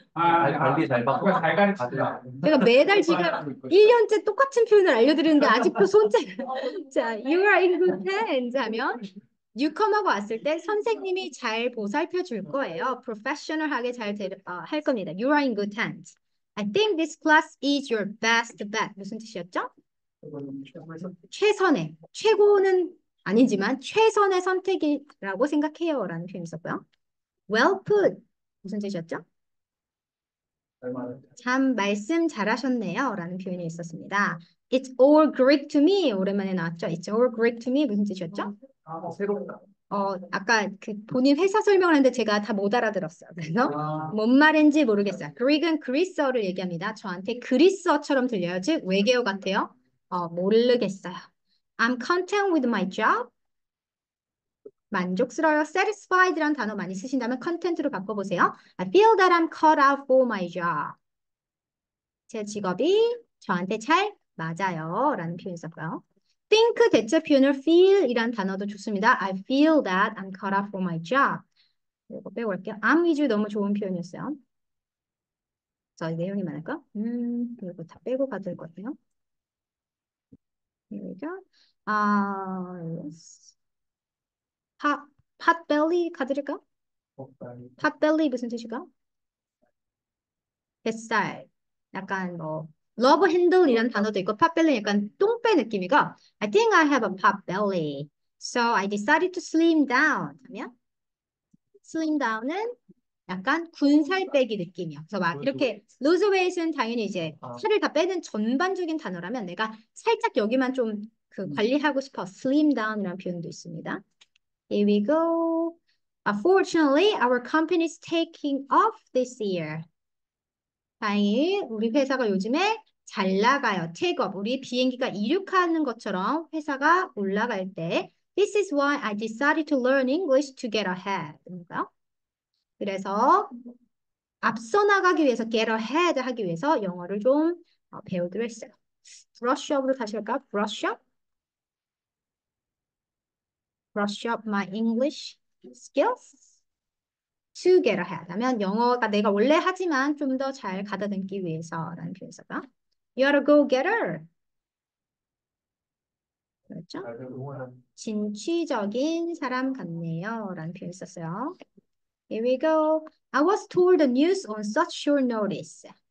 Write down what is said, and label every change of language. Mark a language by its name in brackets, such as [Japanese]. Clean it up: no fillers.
[Korean] 관리 잘 받고 잘 가르치더라. 제가 매달 지금 1년째 똑같은 표현을 알려드리는데 아직도 손재주. 자, [English] you are in good hands [Korean] 하면 [English] you come [Korean] 하고 왔을 때 선생님이 잘 보살펴 줄 거예요. 프로페셔널하게 잘 할 겁니다. [English] You are in good hands. I think this class is your best bet. [Korean] 무슨 뜻이었죠? 최선의, 최고는 아니지만 최선의 선택이라고 생각해요라는 표현이 있었고요. [English] Well put. [Korean] 무슨 뜻이었죠? 참 말씀 잘하셨네요라는 표현이 있었습니다. [English] It's all Greek to me. [Korean] 오랜만에 나왔죠? [English] It's all Greek to me. [Korean] 무슨 뜻이었죠? 새롭다. 아까 그 본인 회사 설명하는데 제가 다못 알아들었어요. 그래서 뭔 말인지 모르겠어요. Greek은 그리스어를 얘기합니다. 저한테 그리스어처럼 들려요. 즉 외계어 같아요. 모르겠어요. [English] I'm content with my job. [Korean] 만족스러워요. Satisfied 이란 단어 많이 쓰신다면 content로 바꿔보세요. [English] I feel that I'm cut out for my job. [Korean] 제 직업이 저한테 잘 맞아요. 라는 표현 썼고요. Think 대체 표현을 feel 이란 단어도 좋습니다. [English] I feel that I'm cut out for my job. [Korean] 이거 빼볼게요. [English] I'm with you [Korean] 너무 좋은 표현이었어요. 저 내용이 많을까? 이거 다 빼고 가도 될것 같아요. 여기 팟벨리 가드릴까? 팟벨리 무슨 뜻일까? 뱃살 약간 뭐 러브 핸들 이런 단어도 있고 팟벨리 약간 똥배 느낌이고 [English] I think I have a potbelly. So I decided to slim down. 하면 slim down은 [Korean] 약간 군살 빼기 느낌이야. 그래서 막 이렇게 lose weight은 당연히 이제 살을 다 빼는 전반적인 단어라면 내가 살짝 여기만 좀그 관리하고 싶어. [English] slim down이라는 [Korean] 표현도 있습니다. [English] Here we go. Unfortunately, our company is taking off this year. [Korean] 다행히 우리 회사가 요즘에 잘 나가요. [English] Take off. [Korean] 우리 비행기가 이륙하는 것처럼 회사가 올라갈 때 [English] This is why I decided to learn English to get ahead. [Korean] 그런가요? 그래서 앞서 나가기 위해서 get ahead 하기 위해서 영어를 좀 배우기로 했어요. [English] Brush up으로 다시 할까? Brush up? Brush up my English skills to get ahead. [Korean] 하면 영어가 내가 원래 하지만 좀더잘 가다듬기 위해서라는 표현에서 봐. [English] You are a go-getter. [Korean] 그렇죠? 진취적인 사람 같네요라는 표현 썼어요. [English] Here we go. I was told the news on such short notice.